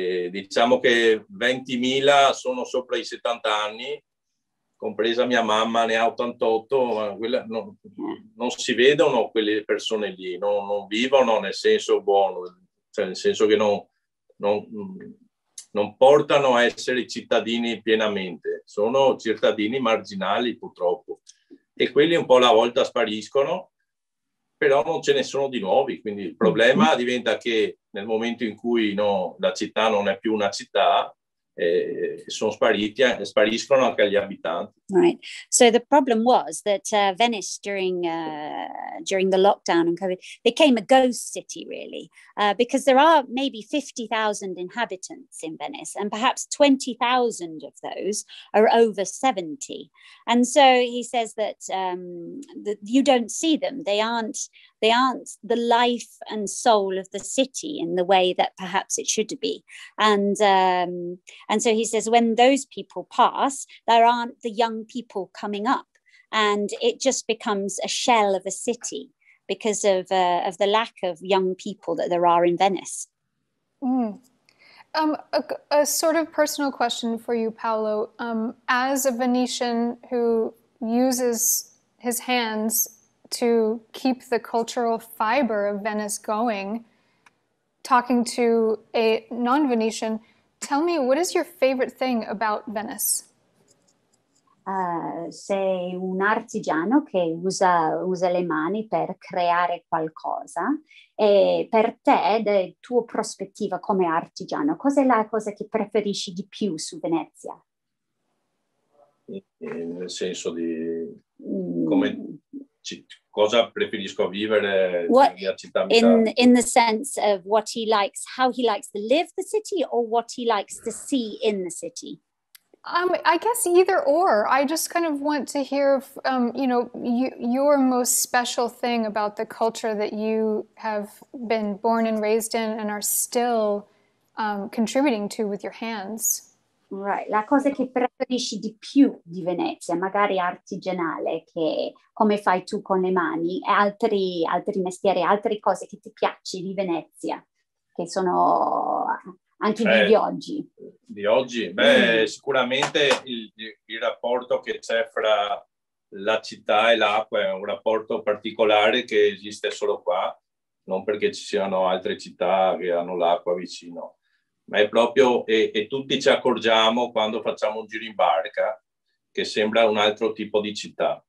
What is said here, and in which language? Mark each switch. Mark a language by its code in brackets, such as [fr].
[it] Diciamo che 20.000 sono sopra i 70 anni, compresa mia mamma, ne ha 88, ma quella, no, non si vedono quelle persone lì, non vivono nel senso buono, cioè nel senso che non portano a essere cittadini pienamente, sono cittadini marginali purtroppo, e quelli un po' alla volta spariscono, però non ce ne sono di nuovi, quindi il problema diventa che nel momento in cui no, la città non è più una città, sono spariti, spariscono anche gli abitanti. [en] Right. So the problem was that Venice during the lockdown and COVID became a ghost city, really, because there are maybe 50,000 inhabitants in Venice, and perhaps 20,000 of those are over 70. And so he says that that you don't see them. They aren't the life and soul of the city in the way that perhaps it should be. And so he says when those people pass, there aren't the young people coming up, and it just becomes a shell of a city because of the lack of young people that there are in Venice. A sort of personal question for you, Paolo. As a Venetian who uses his hands to keep the cultural fiber of Venice going, talking to a non-Venetian, tell me, what is your favorite thing about Venice? [it] Sei un artigiano che usa le mani per creare qualcosa, e per te, dal tuo prospettiva come artigiano, cosa è la cosa che preferisci di più su Venezia? Nel senso di come cosa preferisco vivere [en] what, [it] nella città? [en] In the sense of what he likes, how he likes to live the city, or what he likes to see in the city? I guess either or. I just kind of want to hear, your most special thing about the culture that you have been born and raised in and are still contributing to with your hands. Right. [it] La cosa che preferisci di più di Venezia, magari artigianale, che come fai tu con le mani, e altri mestieri, altre cose che ti piacci di Venezia, che sono... Anche di oggi. Di oggi? Beh, sicuramente il rapporto che c'è fra la città e l'acqua è un rapporto particolare che esiste solo qua, non perché ci siano altre città che hanno l'acqua vicino, ma è proprio, e tutti ci accorgiamo quando facciamo un giro in barca, che sembra un altro tipo di città.